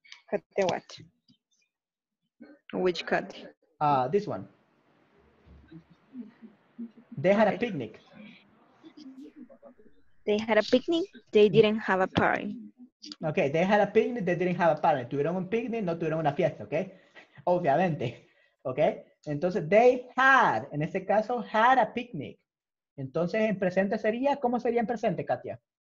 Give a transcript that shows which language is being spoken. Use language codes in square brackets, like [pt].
[en] Kate, what? Which Kate? This one. They had a picnic. They had a picnic, they didn't have a party. Okay, they had a picnic, they didn't have a party. [es] Tuvieron un picnic, no tuvieron una fiesta, ¿ok? Obviamente, ¿ok? [en] Entonces, they had, [es] en este caso, [en] had a picnic. [es] Entonces, en presente sería, ¿cómo sería en presente, Katia?